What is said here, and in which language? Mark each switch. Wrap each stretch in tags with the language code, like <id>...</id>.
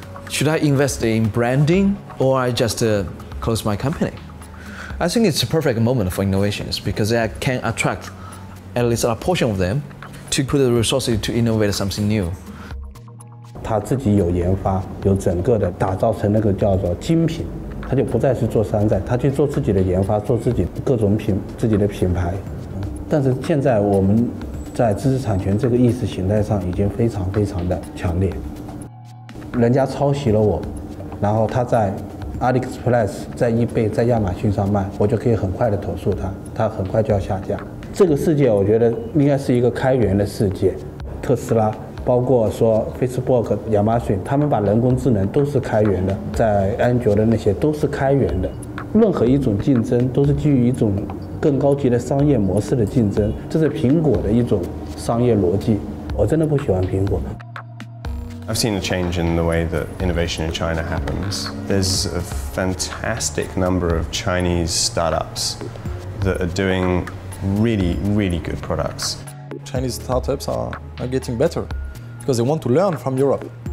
<en>Should I invest in branding or I just close my company? I think it's a perfect moment for innovations because it can attract at least a portion of them, to put the resources to innovate something new.</en> <zh>他自己有研发，有整个的打造成那个叫做精品。他就不再是做山寨，他去做自己的研发，做自己各种品，自己的品牌。但是现在我们在知识产权这个意识形态上已经非常非常的强烈。人家抄袭了我，然后他在 AliExpress， 在eBay，在亚马逊上卖，我就可以很快的投诉他，他很快就要下架。这个世界我觉得应该是一个开源的世界，特斯拉。包括说 Facebook、 亚马逊，他们把人工智能都是开源的，在安卓的那些都是开源的。任何一种竞争都是基于一种更高级的商业模式的竞争，这是苹果的一种商业逻辑。我真的不喜欢苹果。</zh> <en>I've seen a change in the way that innovation in China happens. There's a fantastic number of Chinese startups that are doing really, really good products. Chinese startups are getting better. Because they want to learn from Europe.</en>